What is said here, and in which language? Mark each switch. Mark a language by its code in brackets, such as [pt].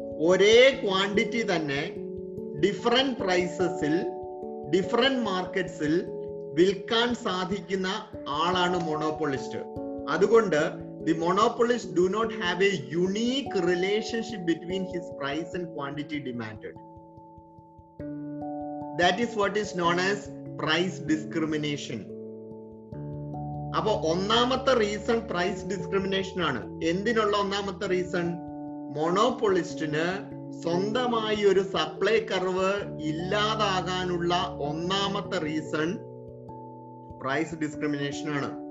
[ml] ഒരേ ക്വാണ്ടിറ്റി തന്നെ different പ്രൈസസിൽ different മാർക്കറ്റ്സിൽ വിൽക്കാൻ സാധിക്കുന്ന ആളാണ് മോണോപോളിസ്റ്റ്. [en] അതുകൊണ്ട് the monopolist do not have a unique relationship between his price and quantity demand. That is what is known as price discrimination. [ml] അപ്പോ ഒന്നാമത്തെ റീസൺ പ്രൈസ് ഡിസ്ക്രിമിനേഷൻ ആണ്. എന്തിനുള്ള ഒന്നാമത്തെ റീസൺ? മോണോപോളിസ്റ്റിന് സ്വന്തമായി ഒരു സപ്ലൈ കർവ് ഇല്ലാതാകാനുള്ള ഒന്നാമത്തെ റീസൺ പ്രൈസ് ഡിസ്ക്രിമിനേഷൻ ആണ്.